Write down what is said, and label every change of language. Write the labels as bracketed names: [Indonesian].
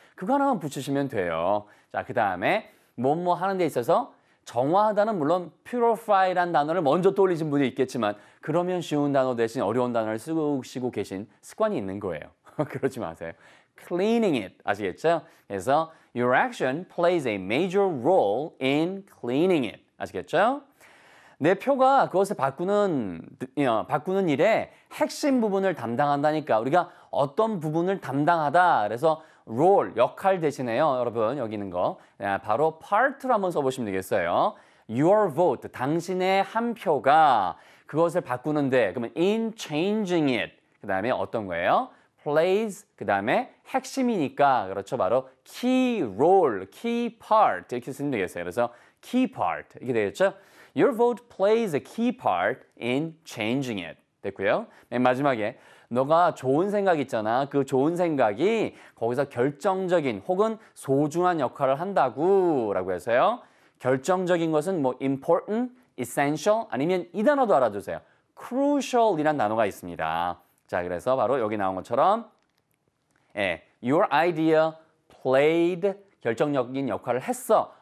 [Korean] 그거 하나만 붙이시면 돼요. 자, 그 다음에 뭐뭐 하는 데 있어서 정화하다는 물론 purify란 단어를 먼저 떠올리신 분이 있겠지만 그러면 쉬운 단어 대신 어려운 단어를 쓰시고 계신 습관이 있는 거예요. 그러지 마세요. [English] Cleaning it. [Korean] 아시겠죠? 그래서 [English] Your action plays a major role in cleaning it. [Korean] 아시겠죠? 내 표가 그것을 바꾸는 일에 핵심 부분을 담당한다니까. 우리가 어떤 부분을 담당하다. 그래서 role, 역할 대신에요. 여러분, 여기 있는 거. 바로 part로 한번 써보시면 되겠어요. [English] Your vote, [Korean] 당신의 한 표가 그것을 바꾸는데. 그러면 [English] in changing it. [Korean] 그 다음에 어떤 거예요? plays, 그 다음에 핵심이니까, 그렇죠. 바로 key role, key part 이렇게 쓰시면 되겠어요. 그래서 key part 이렇게 되겠죠. [English] Your vote plays a key part in changing it. [Korean] 됐고요. 맨 마지막에 너가 좋은 생각 있잖아. 그 좋은 생각이 거기서 결정적인 혹은 소중한 역할을 한다고 라고 해서요. 결정적인 것은 뭐 important, essential 아니면 이 단어도 알아두세요. crucial이란 단어가 있습니다. 자, 그래서 바로 여기 나온 것처럼 예, [English] your idea played [Korean] 결정적인 역할을 했어.